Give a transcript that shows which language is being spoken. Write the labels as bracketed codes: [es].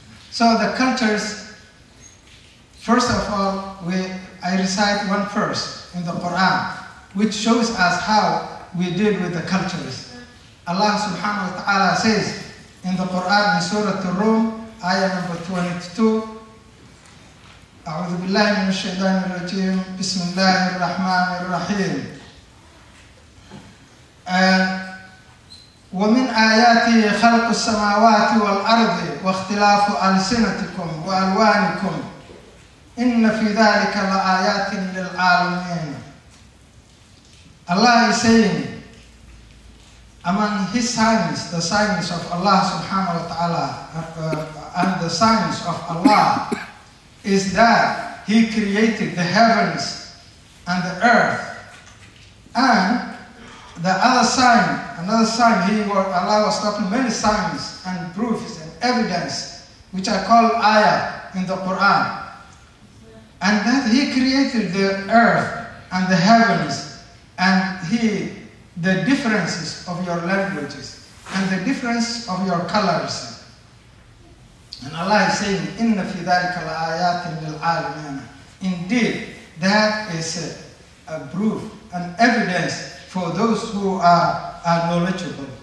[en] So the cultures, first of all, I recite one verse in the Qur’an, which shows us how we deal with the cultures. Allah subhanahu wa ta'ala says in the Qur’an, in Surah Ar-Rum, ayah number 22, [ar] أعوذ بالله من الشيطان الرجيم, بسم الله الرحمن الرحيم. ومن آياته خلق السماوات والأرض واختلاف ألسنتكم وألوانكم إن في ذلك لآيات للعالمين. [en] Allah is saying, among his signs, the signs of Allah subhanahu wa ta'ala, and the signs of Allah is that he created the heavens and the earth. And the other sign, Allah was talking many signs and proofs and evidence, which are called ayah in the Quran. And that he created the earth and the heavens, and the differences of your languages and the difference of your colors. And Allah is saying, [ar] إِنَّ فِي ذَلِكَ لَآيَاتٍ لِلْعَالَمِينَ. [en] Indeed, that is a proof, an evidence for those who are knowledgeable.